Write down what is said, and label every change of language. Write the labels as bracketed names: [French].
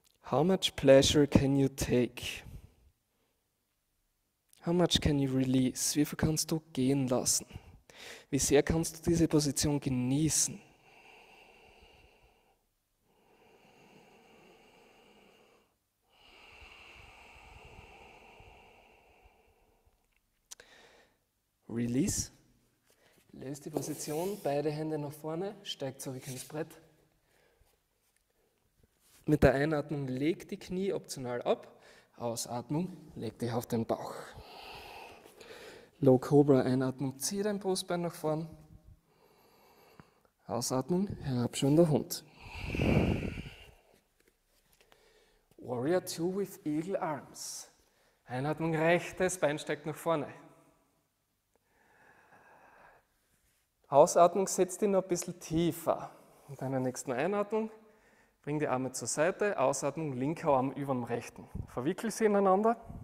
[English] How much pleasure can you take? How much can you release? [German] Wie viel kannst du gehen lassen? Wie sehr kannst du diese Position genießen? [English] Release. [German] Löst die Position, beide Hände nach vorne, steigt zurück ins Brett. Mit der Einatmung legt die Knie optional ab. Ausatmung, legt dich auf den Bauch. Low Cobra, Einatmung, zieh dein Brustbein nach vorn. Ausatmung, herabschauender Hund. [English] Warrior 2 with Eagle Arms. [German] Einatmung, rechtes Bein steigt nach vorne. Ausatmung, setzt ihn noch ein bisschen tiefer. Mit deiner nächsten Einatmung, bring die Arme zur Seite. Ausatmung, linker Arm über dem rechten. Verwickel sie ineinander.